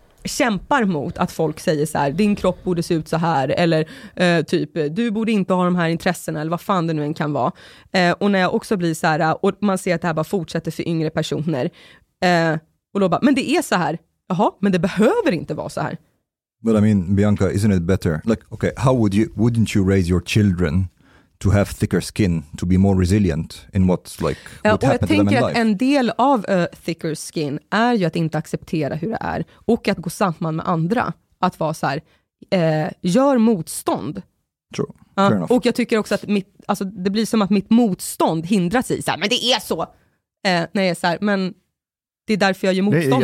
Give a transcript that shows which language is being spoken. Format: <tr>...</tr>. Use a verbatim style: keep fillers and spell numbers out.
<sv>kämpar mot att folk säger så här, din kropp borde se ut så här eller eh, typ du borde inte ha de här intressena eller vad fan det nu än kan vara. Eh, och när jag också blir så här och man ser att det här bara fortsätter för yngre personer eh, och då bara, men det är så här. Jaha, men det behöver inte vara så här.</sv> <en>But I mean, Bianca, isn't it better? Like, okay, how would you wouldn't you raise your children to have thicker skin, to be more resilient in what's like what</en> <sv>uh, och</sv> <en>happened</en> <sv>jag tänker</sv> <en>to them in</en> <sv>att</sv> <en>life.</en> <sv>En del av uh,</sv> <en>thicker skin</en> <sv>är ju att inte acceptera hur det är och att gå samman med andra, att vara så här uh, gör motstånd.</sv> <en>True.</en> <sv>Uh, och jag tycker också att mitt, alltså det blir som att mitt motstånd hindras i så här, men det är så. Uh, när jag är så här, men det är därför jag gör motstånd.</sv>